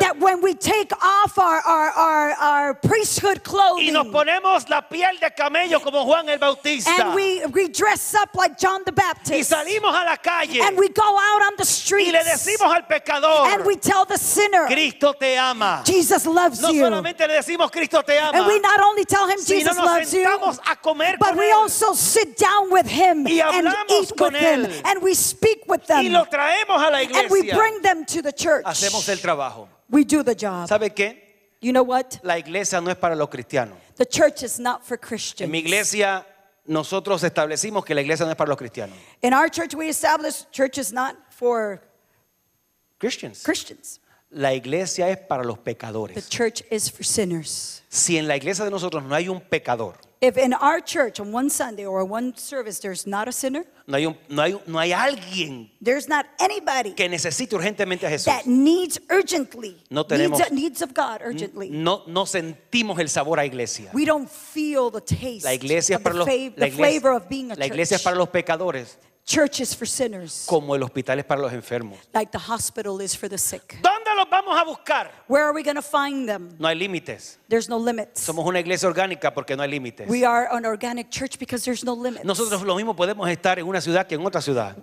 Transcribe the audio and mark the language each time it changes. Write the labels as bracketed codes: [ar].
[en] That when we take off our priesthood clothing. [es] Y nos ponemos la piel de camello como Juan el Bautista. [en] And we dress up like John the Baptist. [es] Y salimos a la calle. [en] And we go out on the streets. [es] Y le decimos al pecador. [en] And we tell the sinner. [es] Cristo te ama. [en] Jesus loves [es] no [en] you. [es] No solamente le decimos Cristo te ama. [en] And we not only tell him Jesus loves you. [es] Sino nos sentamos a comer [en] but [es] con [en] we [es] él. [en] Also sit down with him. [es] Y hablamos [en] and eat [es] con [en] with him. [es] Él. [en] And we speak with them. [es] Y lo traemos a la iglesia. [en] And we bring them to the church. [es] Hacemos el trabajo. [en] We do the job. [es] ¿Sabe qué? [en] You know what? [es] La iglesia no es para los cristianos. [en] The church is not for Christians. [es] En mi iglesia nosotros establecimos que la iglesia no es para los cristianos. [en] In our church we establish church is not for Christians. [es] La iglesia es para los pecadores. [en] The church is for sinners. [es] Si en la iglesia de nosotros no hay un pecador. [en] If in our church on one Sunday or one service there's not a sinner. [es] No hay alguien. [en] There's not anybody. [es] Que necesite urgentemente a Jesús. [en] That needs urgently. [es] No tenemos. [en] Needs of God urgently. [es] No sentimos el sabor a iglesia. [en] We don't feel the taste. [es] La iglesia es para los. [en] The flavor of being a church. [es] La iglesia es para los pecadores. [en] Church is for sinners. [es] Como el hospital es para los enfermos. [en] Like the hospital is for the sick. [es] ¿Dónde los vamos a buscar? [en] Where are we going to find them? [es] No hay límites. [en] There's no limits. [es] Somos una iglesia orgánica porque no hay límites. [en] We are an organic church because there's no limits. [es] Nosotros lo mismo podemos estar en una ciudad que en otra ciudad.